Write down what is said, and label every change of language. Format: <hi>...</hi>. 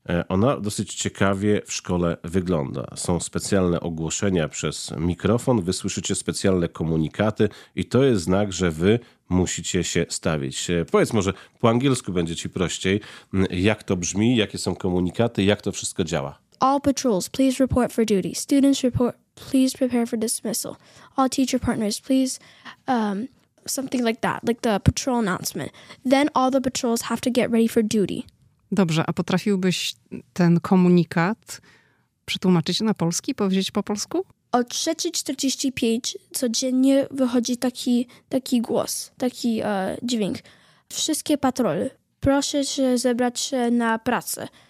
<pl>Ona dosyć ciekawie w szkole wygląda. Są specjalne ogłoszenia przez mikrofon, wy słyszycie specjalne komunikaty i to jest znak, że wy musicie się stawić. Powiedz może, po angielsku będzie ci prościej, jak to brzmi, jakie są komunikaty, jak to wszystko działa.</pl> <en>All patrols, please report for duty. Students report, please prepare for dismissal. All teacher partners, please... something like that, like the patrol announcement. Then all the patrols have to get ready for duty.</en> <pl>Dobrze, a potrafiłbyś ten komunikat przetłumaczyć na polski, powiedzieć po polsku? O 3:45 codziennie wychodzi taki głos, taki dźwięk. Wszystkie patrole, proszę się zebrać się na pracę.</pl>